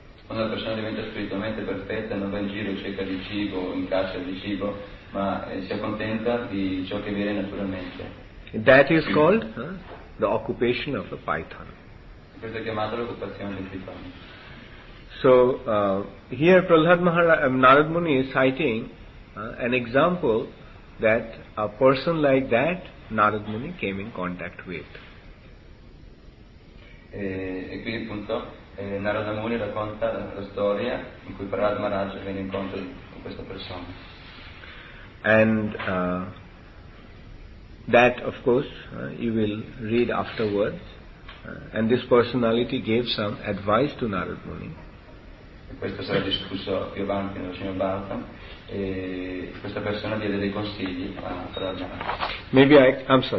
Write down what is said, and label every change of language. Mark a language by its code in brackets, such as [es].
[it] Una persona diventa spiritualmente perfetta, non va in giro, cerca di cibo, in caccia di cibo, ma si accontenta di ciò che viene naturalmente. [en] That is called the occupation of a python. [it] Questo è chiamato l'occupazione del pitone. [en] So, here Prahlad Maharaj, Narad Muni is citing an example that a person like that Narad Muni came in contact with. [it] E qui appunto Narad Muni racconta la storia in cui Prahlad Maharaj viene incontro con questa persona. [en] And that of course you will read afterwards. And this personality gave some advice to Narad Muni. [it] Questo sarà discusso più avanti nel signor Bhagavatam, e questa persona diede dei consigli a Prahlad Maharaj.